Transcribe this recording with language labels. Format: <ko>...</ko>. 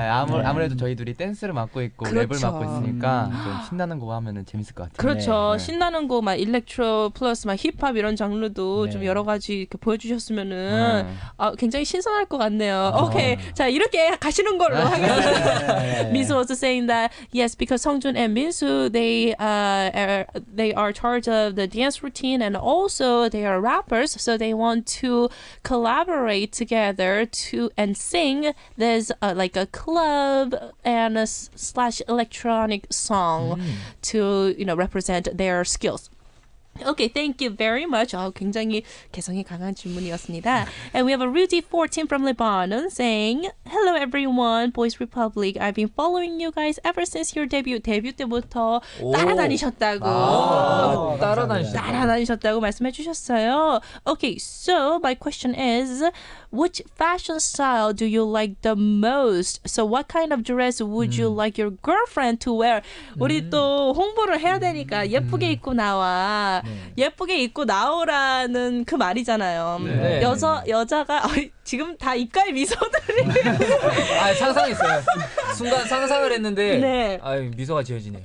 <ko>아무래도 저희 둘이 댄스를 맡고 있고 그렇죠. 랩을 맡고 있으니까 좀 신나는 거 하면은 재밌을 것 같아요. 그렇죠. 네. 신나는 거 막 일렉트로 플러스 막 힙합 이런 장르도 네. 좀 여러 가지 이렇게 보여주셨으면은 굉장히 신선할 것 같네요. 오케이. 자, 이렇게 가시는 걸로 하겠습니다.</ko> <en>Miss was saying that yes. Because Songjun and Minsu, they are charge of the dance routine, and also they are rappers, so they want to collaborate together to and sing this like a club and a slash electronic song to represent their skills. Okay, thank you very much.</en> <ko>Oh, 굉장히 개성이 강한 질문이었습니다.</ko> <en>And we have a Rudy 14 from Lebanon saying, "Hello everyone, Boys Republic. I've been following you guys ever since your debut."</en> <ko>데뷔 때부터 따라다니셨다고. 따라다니셨다고 말씀해 주셨어요.</ko> <en>Okay, so my question is, which fashion style do you like the most? So what kind of dress would you like your girlfriend to wear?</en> <ko>우리 또 홍보를 해야 되니까 예쁘게 입고 나와. 네. 예쁘게 입고 나오라는 그 말이잖아요. 네. 여자가 지금 다 입가에 미소들이. 아, 상상했어요. 순간 상상을 했는데 네. 아, 미소가 지어지네.</ko>